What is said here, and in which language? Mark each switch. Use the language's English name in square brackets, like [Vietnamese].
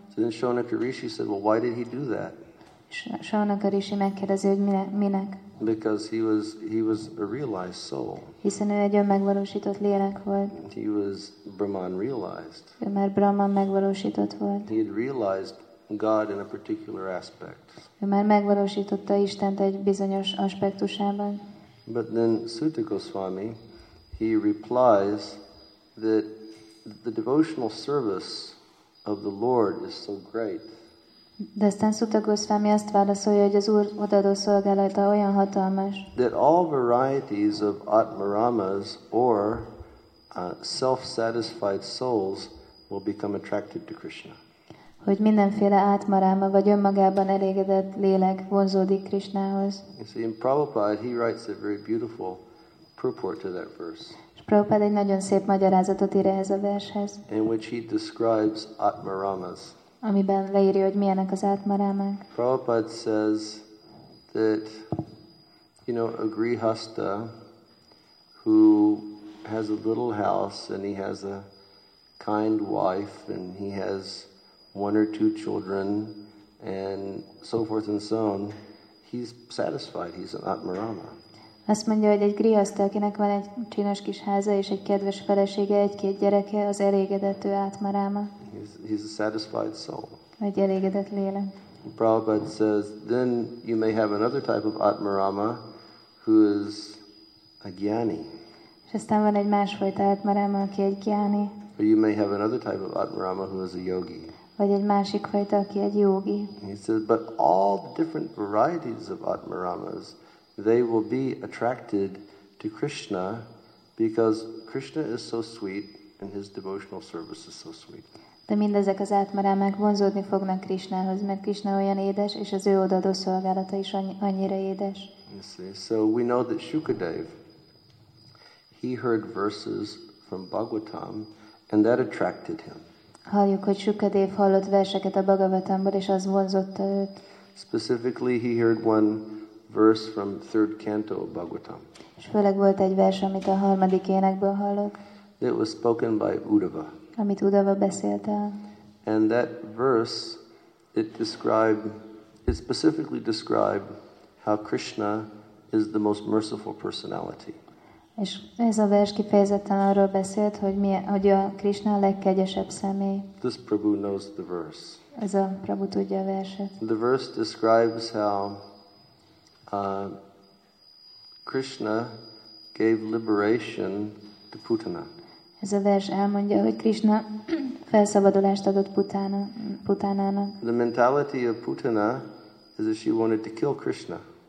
[English] So then Shaunaka Rishi said, well, why did he do that? [Hungarian] Shaunaka Rishi megkérdezi, hogy minek? [English] Because he was a realized soul. [Hungarian] Hiszen ő egy önmegvalósított lélek volt. [English] He was Brahman realized. [Hungarian] Ő már Brahman megvalósított volt. [English] He had realized God in a particular aspect. [Hungarian] Ő már megvalósította Istent egy bizonyos aspektusában. [English] But then Suta Goswami, he replies that the devotional service of the Lord is so great. [Hungarian] De aztán Suta Goswami azt válaszolja, hogy az Úr odaadó szolgálata olyan hatalmas. [English] That all varieties of atmaramas or self-satisfied souls will become attracted to Krishna. [Hungarian] Hogy mindenféle átmaráma vagy önmagában elégedett lélek vonzódik Krishnához. [English] You see, in Prabhupada, he writes a very beautiful purport to that verse. [Hungarian] És Prabhupada egy nagyon szép magyarázatot ír ehhez a vershez. [English] In which he describes atmaramas. [Hungarian] Amiben leírja, hogy milyenek az átmarámák. [English] Prabhupada says that, you know, a grihasta who has a little house and he has a kind wife and he has one or two children and so forth and so on, he's satisfied, he's an atmarama. [Hungarian] Azt mondja, hogy egy grihasta, akinek van egy csinos kis háza és egy kedves felesége, egy-két gyereke, az elégedett ő átmaráma. [English] He's a satisfied soul. [Hungarian] Egy elégedett lélek. [English] Prabhupada says, then you may have another type of atmarama who is a gyani. [Hungarian] És aztán van egy másfajta átmaráma, aki egy gyani. [English] Or you may have another type of atmarama who is a yogi. [Hungarian] Vagy egy másik fajta, aki egy yogi. [English] He says, but all the different varieties of atmaramas, they will be attracted to Krishna because Krishna is so sweet and his devotional service is so sweet. [Hungarian] De mindezek az átmarámák vonzódni fognak Krishnához, mert Krishna olyan édes, és az ő odaadó szolgálata is annyira édes. [English] So we know that Shukadev, he heard verses from Bhagavatam, and that attracted him. [Hungarian] Halljuk, hogy Shukadev hallott verseket a Bhagavatamból, és az vonzotta őt. [English] Specifically, he heard one verse from third canto of Bhagavatam. [Hungarian] És főleg volt egy vers, amit a harmadik énekből hallok. [English] It was spoken by Uddhava. [Hungarian] Amit Uddhava beszélt el. [English] And that verse, it specifically described how Krishna is the most merciful personality. [Hungarian] És ez a vers kifejezetten arról beszélt, hogy a Krishna a legkegyesebb személy. [English] This Prabhu knows the verse. [Hungarian] Ez a Prabhu tudja a verset. [English] The verse describes how Krishna gave liberation to Putana. [Hungarian] Ez a vers elmondja, hogy Krishna felszabadulást adott Putanának. [English] The mentality of Putana is that she wanted to kill Krishna.